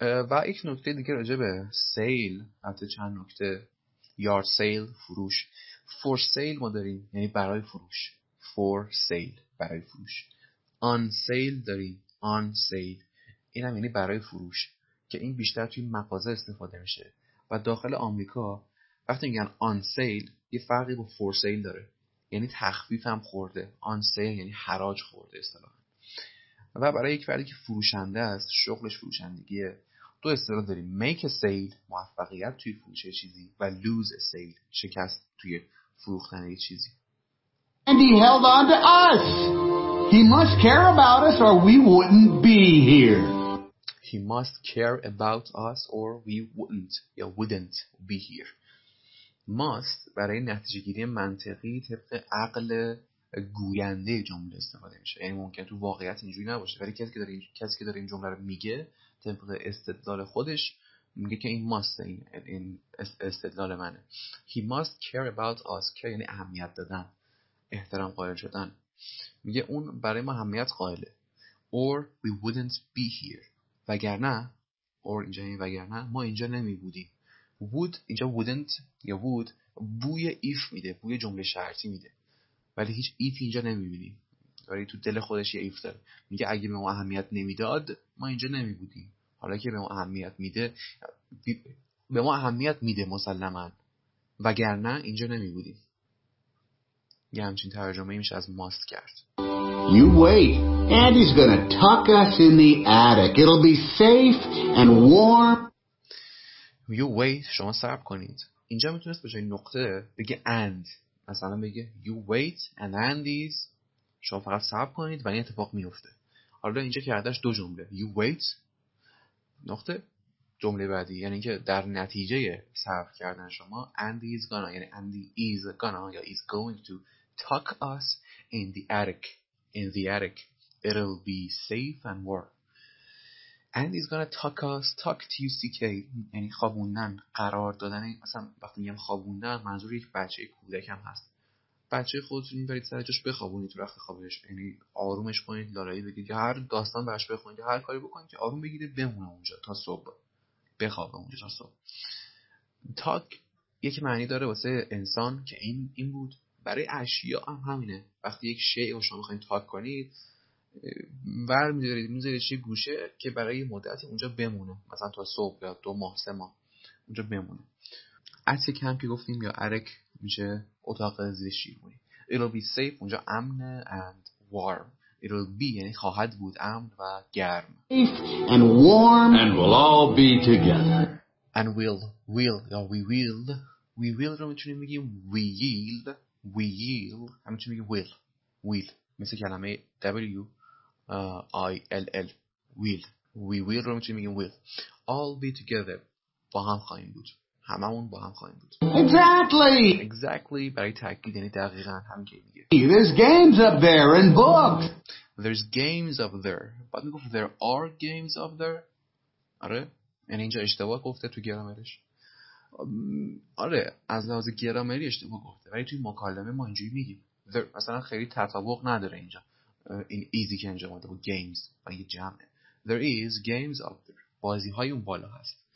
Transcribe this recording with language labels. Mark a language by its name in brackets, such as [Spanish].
[Persian] و یک نکته دیگه راجع به سیل، حتی چند نکته، یارد سیل فروش، فور سیل ما داریم یعنی برای فروش، فور سیل برای فروش، آن سیل داریم، آن سیل اینم یعنی برای فروش، که این بیشتر توی مغازه استفاده میشه و داخل آمریکا وقتی میگن آن سیل یه فرقی با فور سیل داره، یعنی تخفیف هم خورده، آن سیل یعنی حراج خورده اصطلاحا. و برای یک فردی که فروشنده است، شغلش فروشندگیه، دو اصطلاح داریم، [English] make a sale [Persian] موفقیت توی فروش چیزی و [English] lose a sale [Persian] شکست توی فروختن یه چیزی. [English] And he held on to us. He must care about us or we wouldn't be here. He must care about us or we wouldn't or wouldn't be here. [Persian] Must برای نتیجه گیری منطقی طبق عقل گوینده جمله استفاده میشه، یعنی ممکن تو واقعیت اینجوری نباشه ولی کسی که داره این جمله رو میگه طبق استدلال خودش میگه که این must، این استدلال منه. [English] He must care about us، [Persian] care یعنی اهمیت دادن، احترام قائل شدن، میگه اون برای ما اهمیت قائله، [English] or we wouldn't be here، [Persian] وگرنه، or اینجا یعنی وگرنه ما اینجا نمی بودیم. Would اینجا wouldn't یا would بوی if میده، بوی جمله شرطی میده، ولی هیچ ایف اینجا نمیبینیم، ولی تو دل خودش یه ایف داره، میگه اگه به ما اهمیت نمیداد ما اینجا نمیبودیم، حالا که به ما اهمیت میده، به ما اهمیت میده مسلماً، وگرنه اینجا نمیبودیم. یه همچین ترجمه ایمش از ماست کرد. [English] You wait, Andy's gonna tuck us in the attic, it'll be safe and warm. You wait, [Persian] شما صبر کنید. اینجا میتونست به جای نقطه بگه and، مثلا بگه [English] you wait and Andy's، [Persian] شما فقط صبر کنید و این اتفاق میفته. حالا اینجا کردش دو جمله، [English] you wait [Persian] نقطه، جمله بعدی یعنی که در نتیجه صبر کردن شما، [English] Andy's gonna [Persian] یعنی [English] Andy is gonna [Persian] یا [English] is going to tuck us in the attic، in the attic it'll be safe and warm. Andy's gonna tuck us، [Persian] tuck T-U-C-K یعنی خوابوندن، قرار دادن. مثلا وقتی میگم خوابوندن منظور یک بچه کودک هم هست، بچه خودتون میبرید سر جاش بخوابونید تو رخت خوابش، یعنی آرومش کنید، لالایی بگید، هر داستان براش بخونید، هر کاری بکنید که آروم بگیره بمونه اونجا تا صبح، بخوابه اونجا تا صبح. تاک یک معنی داره واسه انسان که این بود، برای اشیاء هم همینه، وقتی یک شیء رو شما بخواید تاک کنید ور می‌دارید، می‌ذارید یه گوشه که برای مدتی اونجا بمونه، مثلا تا صبح یا دو ماه سه ماه اونجا بمونه. اتیک هم که گفتیم یا ارک میشه اتاق زیر شیروانی. [English] It'll be safe [Persian] اونجا امنه [English] and warm. [Persian] It'll be یعنی خواهد بود، امن و گرم. [English] Safe and warm and we'll all be together. And we'll یا we will [Persian] رو میتونیم بگیم [English] we yield، we yield [Persian] همچنین میگیم [English] will، [Persian] مثل کلمه W I L L will. We will رو میتونیم بگیم will. [English] All be together. [Persian] با هم خواهیم بود. هممون با هم خواهیم بود. [English] Exactly. [Persian] برای تأکید یعنی دقیقاً همین که میگه. [English] There's games up there and booked. There's games up there. [Persian] بعد میگفت [English] there are games up there. [Persian] آره؟ یعنی اینجا اشتباه گفته تو گرامرش. آره، از لحاظ گرامری اشتباه گفته. ولی توی مکالمه ما اینجوری میگیم. مثلا خیلی تطابق نداره اینجا. این ایزی که انجام داده با games و یه جمعه. [English] There is games up there. [Persian] بازی های اون بالا هست.